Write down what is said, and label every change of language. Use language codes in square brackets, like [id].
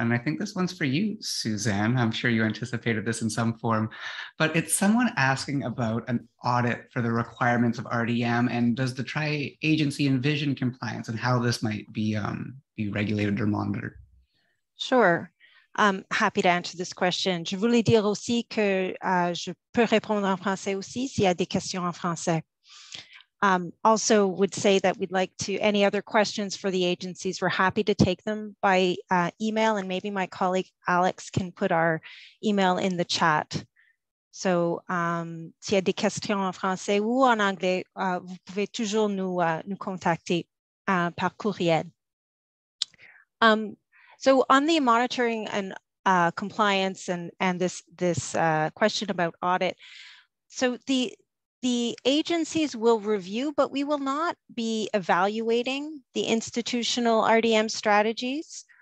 [en] And I think this one's for you, Suzanne. I'm sure you anticipated this in some form, but it's someone asking about an audit for the requirements of RDM and does the tri-agency envision compliance and how this might be regulated or monitored? Sure. I'm happy to answer this question. [fr] Je voulais dire aussi que je peux répondre en français aussi s'il y a des questions en français. [en] Also would say that we'd like to, any other questions for the agencies, we're happy to take them by email, and maybe my colleague Alex can put our email in the chat. So [fr] s'il y a des questions en français ou en anglais, vous pouvez toujours nous contacter par courriel. [en] So on the monitoring and compliance and this question about audit, so the agencies will review, but we will not be evaluating the institutional RDM strategies.